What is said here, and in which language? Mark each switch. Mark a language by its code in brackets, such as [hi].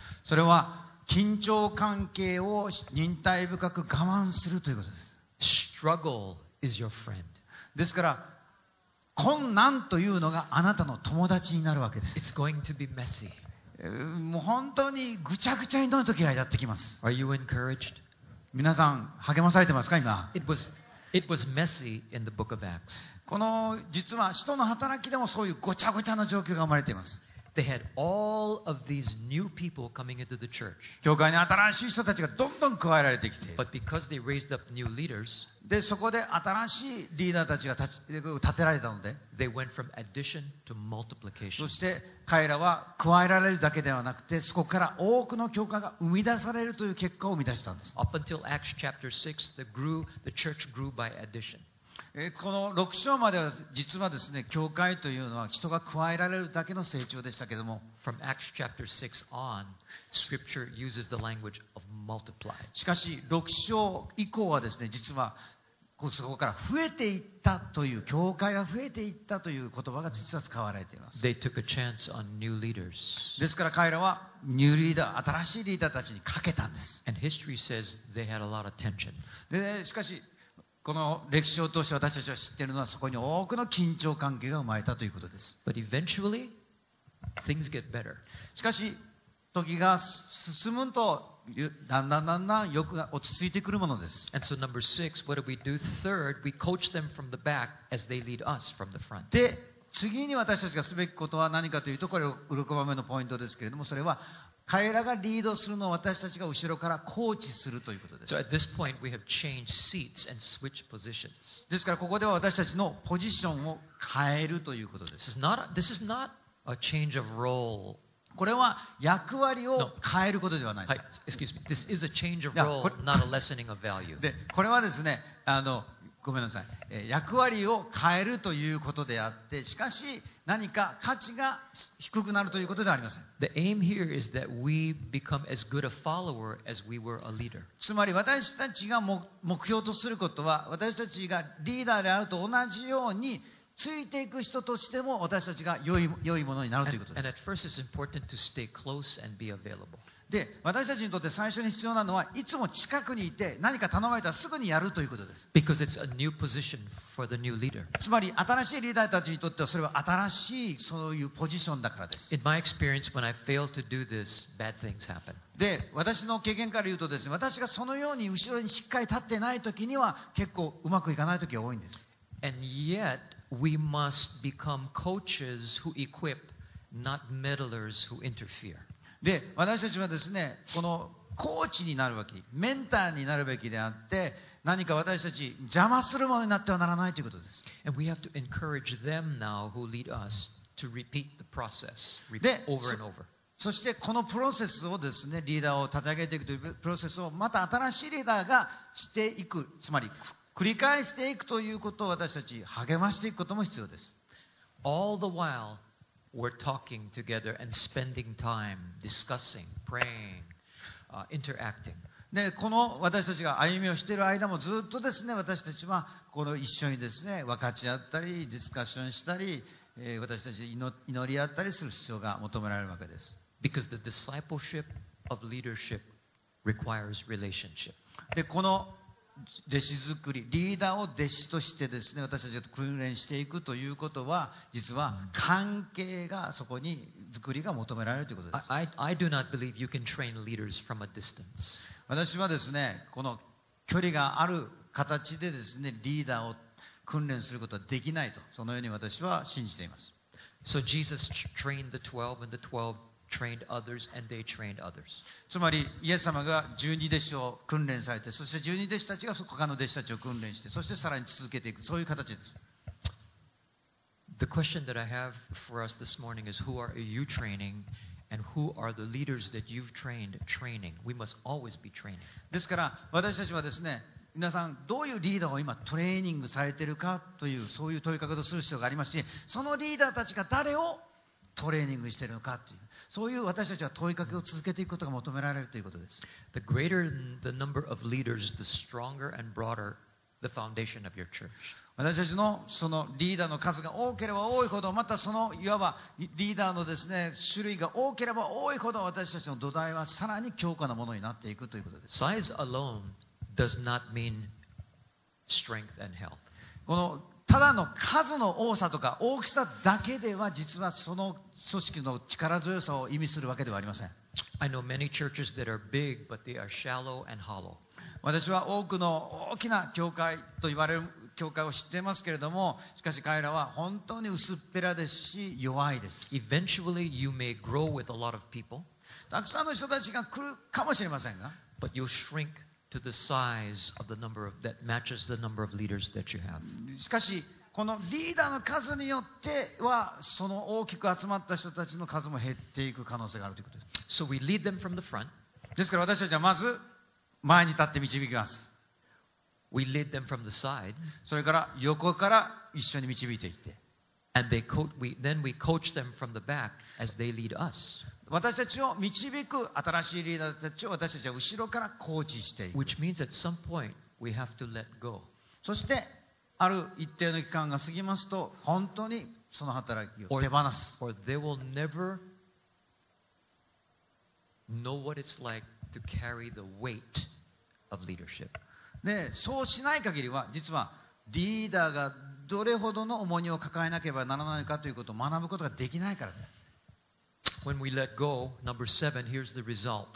[ja] それは緊張関係を忍耐深く我慢するということです。 [en] Struggle is your friend. [ja] ですから、困難というのがあなたの友達になるわけです。 [en] It's going to be messy. [ja] もう本当にぐちゃぐちゃになる時がやってきます。 [en] Are you encouraged? [ja] 皆さん励まされてますか今。 [en] It was messy in the book of Acts. [ja] この実は使徒の働きでもそういうごちゃごちゃな状況が生まれています。 [en] They had all of these new people coming into the church. [ja] 教会に新しい人たちがどんどん加えられてきて。 [en] But because they raised up new leaders, [ja] でそこで新しいリーダーたちが立てられたので、 [en] they went from addition to multiplication. [ja] そして彼らは加えられるだけではなくて、そこから多くの教会が生み出されるという結果を生み出したんです。 [en] Up until Acts chapter 6, the church grew by addition. [ja] この6章までは実はですね、教会というのは人が加えられるだけの成長でしたけども、 [en] From Acts chapter 6 on, Scripture uses the language of multiply. [ja] しかし6章以降はですね、実はそこから増えていったという教会が増えていったという言葉が実は使われています。 [en] They took a chance on new leaders. [ja] ですから彼らはニューリーダー、新しいリーダーたちにかけたんです。 [en] And history says they had a lot of tension. [ja] でしかし。この歴史を通して私たちは知っているのはそこに多くの緊張関係が生まれたということです。 [en] But eventually, things get better. [ja] しかし時が進むとだんだんだんだんよく落ち着いてくるものです。 [en] And so number six, what do we do? Third, we coach them from the back as they lead us from the front. [ja] で、次に私たちがすべきことは何かというと、これウルコマメのポイントですけれども、それは彼らがリードするのを私たちが後ろからコーチするということです。 [en] So at this point we have changed seats and switch positions. [ja] ですからここでは私たちのポジションを変えるということです。 [en] This is not a change of role. [ja] これは役割を変えることではないんです。 [en] No. Excuse me. This is a change of role, not a lessening of value. [ja] で、これはですね、ごめんなさい、役割を変えるということであって、しかし何か価値が低くなるということではありません。 [en] The aim here is that we become as good a follower as we were a leader. [ja] つまり私たちが目標とすることは、私たちがリーダーであると同じようについていく人としても私たちが良いものになるということです。 [en] And at first it's important to stay close and be available. [ja] で、私たちにとって最初に必要なのは、いつも近くにいて何か頼まれたらすぐにやるということです。 [en] Because it's a new position for the new leader. [ja] つまり新しいリーダーたちにとってはそれは新しいそういうポジションだからです。 [en] In my experience, when I fail to do this, bad things happen. [ja] で、私の経験から言うとですね、私がそのように後ろにしっかり立ってない時には結構うまくいかない時が多いんです。 [en] And yet, we must become coaches who equip, not meddlers who interfere. [ja] で、私たちはですね、このコーチになるべき、メンターになるべきであって、何か私たち邪魔するものになってはならないということです。 [en] And we have to encourage them now who lead us to repeat the process over and over. [ja] そしてこのプロセスをですね、リーダーを立て上げていくというプロセスをまた新しいリーダーがしていく、つまり繰り返していくということを私たち励ましていくことも必要です。 [en] All the while,We're talking together and spending time discussing, praying, interacting. [ja] で、この私たちが歩みをしている間もずっとですね、私たちはこの一緒にですね、分かち合ったり、ディスカッションしたり、私たち祈り合ったりする必要が求められるわけです。 [en] Because the discipleship of leadership requires relationship. [ja] で、この弟子作り、リーダーを弟子としてですね、私たちが訓練していくということは、実は関係がそこに作りが求められるということです。 [en] I do not believe you can train leaders from a distance. [ja] 私はですね、この距離がある形でですね、リーダーを訓練することはできないと、そのように私は信じています。 [en] So Jesus trained the 12 and the 12Trained others and they trained others. [ja] つまりイエス様が12弟子を訓練されて、そして12弟子たちが他の弟子たちを訓練して、そしてさらに続けていく、そういう形です。 [en] The question that I have for us this morning is who are you training and who are the leaders that you've trained training? We must always be training. [ja] ですから私たちはですね、皆さんどういうリーダーを今トレーニングされているかという、そういう問いかけをする必要がありますし、そのリーダーたちが誰をトレーニングしているのかという、そういう私たちは問いかけを続けていくことが求められるということです。 [en] The greater the number of leaders, the stronger and broader the foundation of your church. [ja] 私たちのそのリーダーの数が多ければ多いほど、またそのいわばリーダーのですね、種類が多ければ多いほど、私たちの土台はさらに強固なものになっていくということです。 [en] Size alone does not mean strength and health. [ja] このただの数の多さとか大きさだけでは、実はその組織の力強さを意味するわけではありません。 [en] I know many churches that are big, but they are shallow and hollow. [ja] 私は多くの大きな教会と言われる教会を知っていますけれども、しかし彼らは本当に薄っぺらですし、弱いです。 [en] Eventually, you may grow with a lot of people. [ja] たくさんの人たちが来るかもしれませんが。 [en] But you'll shrink. To the size of the number of, that matches the number of leaders that you have. [ja] しかし、このリーダーの数によっては、その大きく集まった人たちの数も減っていく可能性があるということです。 [en] So we lead them from the front. [ja] ですから私たちはまず前に立って導きます。 [en] We lead them from the side. [ja] それから横から一緒に導いていって。 [en] And then we coach them from the back as they lead us. [ja] 私たちを導く新しいリーダーたちを私たちは後ろからコーチしていく。 [en] Which means at some point we have to let go. [ja] そしてある一定の期間が過ぎますと、本当にその働きを手放す。 [en] Or they will never know what it's like to carry the weight of leadership. [ja] で、そうしない限りは、実はリーダーがどれほどの重荷を抱えなければならないかということを学ぶことができないからです。 [en] When we let go, number seven, here's the result.